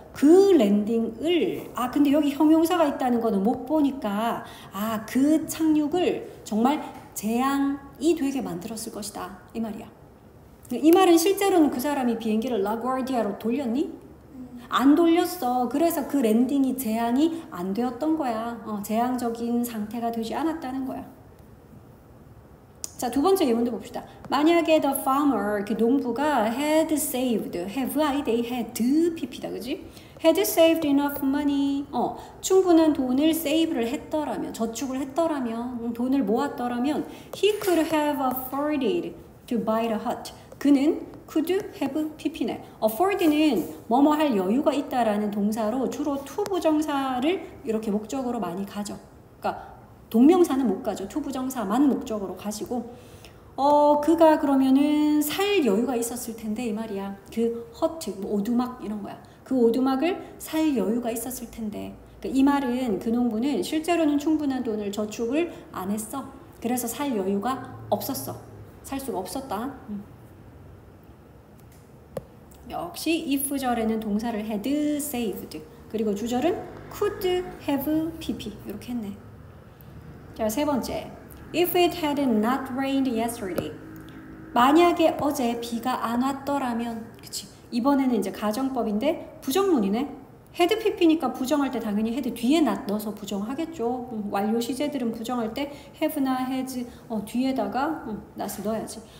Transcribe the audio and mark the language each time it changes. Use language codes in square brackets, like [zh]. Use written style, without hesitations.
[ko] 그 랜딩을, 근데 여기 형용사가 있다는 거는 못 보니까, 그 착륙을 정말 재앙이 되게 만들었을 것이다, 이 말이야. 이 말은 실제로는 그 사람이 비행기를 라구아르디아로 돌렸니? 안 돌렸어. 그래서 그 랜딩이 재앙이 안 되었던 거야. 재앙적인 상태가 되지 않았다는 거야. 자, 두 번째 예문도 봅시다. 만약에 [en] the farmer, [ko] 이렇게 농부가 [en] had saved, have I, they had PP [ko] 다, 그지? [en] Had saved enough money, [ko] 충분한 돈을 save를 했더라면, 저축을 했더라면, 돈을 모았더라면, [en] he could have afforded to buy the hut. [ko] 그는 could have PP네. afford는 뭐뭐 할 여유가 있다라는 동사로 주로 to 부정사를 이렇게 목적으로 많이 가죠. 그러니까 동명사는 못 가죠. 투부정사만 목적으로 가지고 그가 그러면은 살 여유가 있었을 텐데 이 말이야. 그 허트, 뭐 오두막 이런 거야. 그 오두막을 살 여유가 있었을 텐데. 그러니까 이 말은 그 농부는 실제로는 충분한 돈을 저축을 안 했어. 그래서 살 여유가 없었어. 살 수가 없었다. 역시 if절에는 동사를 had saved. 그리고 주절은 could have pp 이렇게 했네. 자, 세 번째. [en] If it had not rained yesterday. [ko] 만약에 어제 비가 안 왔더라면. 그치. 이번에는 이제 가정법인데 부정문이네. had pp니까 부정할 때 당연히 had 뒤에 not 넣어서 부정하겠죠. 완료 시제들은 부정할 때 have나 has 뒤에다가 not을 넣어야지.